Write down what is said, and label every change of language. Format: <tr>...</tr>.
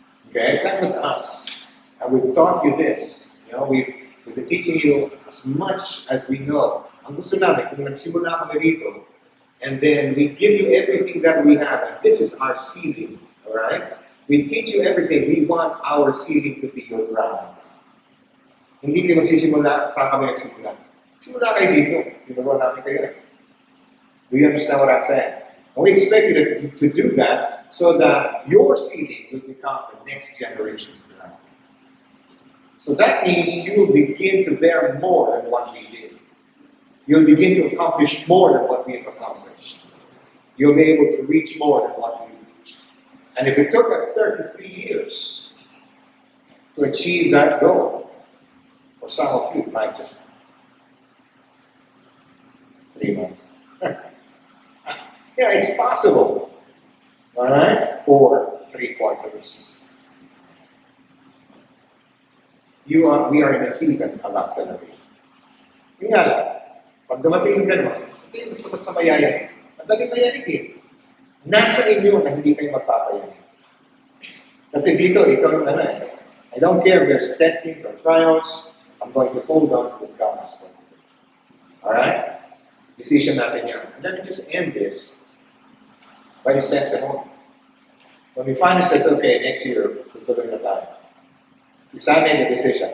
<en>Okay, that was us. And we've taught you this. You know, we've been teaching you as much as we know.</en> <tl>Ang gusto namin, kung nagsimula kami rito,</tl> <en>and then we give you everything that we have. And this is our ceiling, all right? We teach you everything. We want our ceiling to be your ground.</en> <tl>Hindi kayo magsisimula sa kami nagsimula. Simula kayo dito. Simula natin kayo.</tl> <en>Do you understand what I'm saying? And we expect you to do that so that your ceiling will become the next generation's ground. So that means you will begin to bear more than what we did. You'll begin to accomplish more than what we have accomplished. You'll be able to reach more than what we reached. And if it took us 33 years to achieve that goal, for some of you, it might just 3 months. Yeah, it's possible. All right? Or 3/4. We are in a season of acceleration.</en> <tl>Yung nga lang, pag dumating yung gano'n, hindi yung gusto basta mayayari. Madali mayayari. Nasa inyo na hindi kayo magpapayari. Kasi dito, ikaw yung ano eh.</tl> <en>I don't care if there's testings or trials, I'm going to hold on to the God's word. Alright? Decision</en> <tl>natin yan.</tl> <en>And let me just end this by this testimony. When we finally says, okay, next year,</en> <tl>tutuloy na tayo. Isama yung</tl> <en>decision.</en>